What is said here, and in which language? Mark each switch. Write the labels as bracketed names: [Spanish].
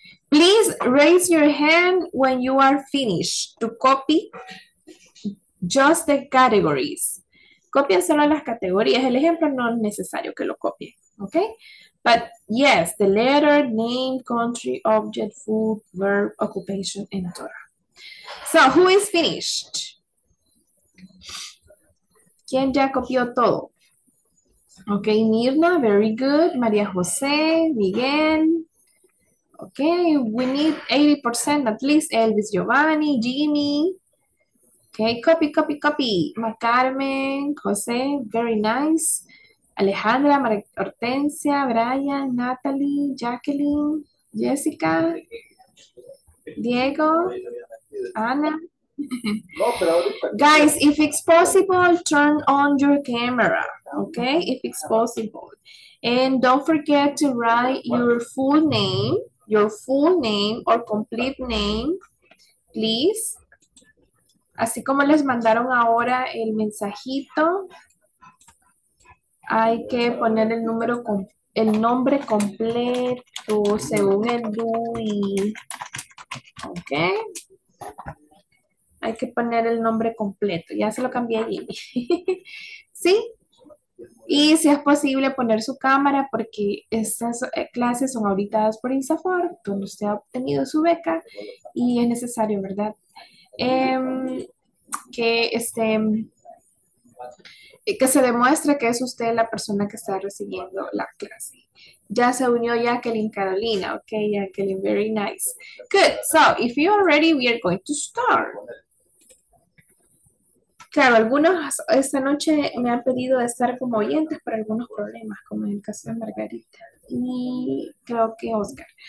[English] Please raise your hand when you are finished to copy just the categories. [Spanish] Copia solo las categorías. El ejemplo no es necesario que lo copie. [English] Okay? But yes, the letter, name, country, object, food, verb, occupation, and etc. So, who is finished? [Spanish] ¿Quién ya copió todo? [English] Okay, Mirna, very good. María José, Miguel. Okay, we need 80% at least. Elvis, Giovanni, Jimmy. Okay, copy, copy, copy. Carmen, José, very nice. Alejandra, Hortensia, Brian, Natalie, Jacqueline, Jessica, Diego, Ana. Guys, if it's possible, turn on your camera, okay? If it's possible. And don't forget to write your full name or complete name, please. [Spanish] Así como les mandaron ahora el mensajito, hay que poner el nombre completo según el DUI. Okay? Hay que poner el nombre completo. Ya se lo cambié allí. ¿Sí? Y si es posible poner su cámara porque estas clases son auditadas por INSAFOR, donde usted ha obtenido su beca y es necesario, ¿verdad? Que se demuestre que es usted la persona que está recibiendo la clase. Ya se unió [English] Jacqueline Carolina. Ok, Jacqueline, very nice. Good. So, if you are ready, we are going to start. [Spanish] Claro, algunos esta noche me han pedido de estar como oyentes por algunos problemas, como en el caso de Margarita y creo que Oscar.